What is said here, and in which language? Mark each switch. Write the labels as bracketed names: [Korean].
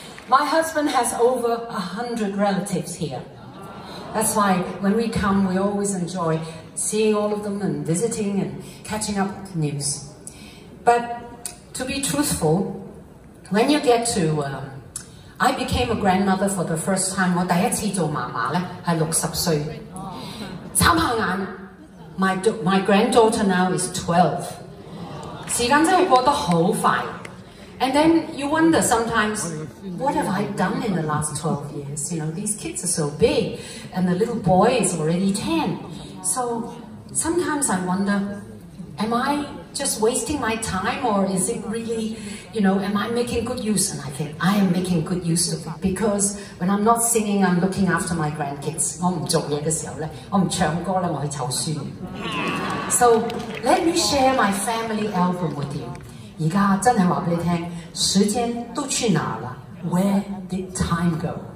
[English] My husband has over 100 relatives here. That's why when we come, we always enjoy seeing all of them and visiting and catching up with news. But to be truthful, when you get to... I became a grandmother for the first time. [Cantonese] 我第一次做媽媽咧，係60歲。眨下眼 [English] ，my granddaughter now is 12. [Cantonese] 時間真係過得好快。 [English] And then you wonder sometimes, what have I done in the last 12 years? You know, these kids are so big, and the little boy is already 10. So sometimes I wonder, am I just wasting my time, or is it really? You know, am I making good use? And I think I am making good use of it because when I'm not singing, I'm looking after my grandkids. [Cantonese] 我唔做嘢嘅時候咧，我唔唱歌咧，我去湊孫。 [English] So let me share my family album with you. [Cantonese] 而家真係話俾你聽，時間都去哪啦 ？ [English] Where did time go?